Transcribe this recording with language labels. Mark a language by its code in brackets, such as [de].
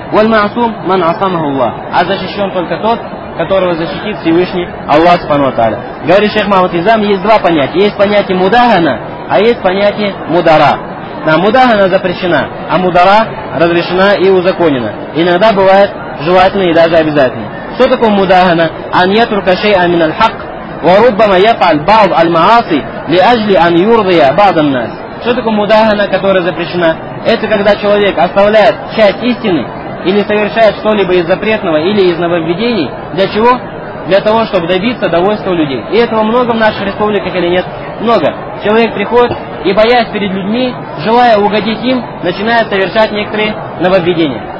[ar] Валь маасум ман асамаху Аллах. [ru] А защищен только тот, которого защитит Всевышний Аллах субхану тааля. Говорит шейх Мухаммад Изам, есть два понятия. Есть понятие мудахана, а есть понятие мудара. На мудахана запрещена, а мудара разрешена и узаконена. Иногда бывает желательно и даже обязательно. Что такое мудахана? [ar] Ан ятрука шейа мин аль-хак. وربما يفعل بعض المعاصي لأجل أن يرضي بعض الناس. [ru] Что такое мудахана, которая запрещена? Это когда человек оставляет часть истины или совершает что-либо из запретного или из нововведений. Для чего? Для того, чтобы добиться довольства людей. И этого много в наших республиках или нет? Много. Человек приходит и, боясь перед людьми, желая угодить им, начинает совершать некоторые нововведения.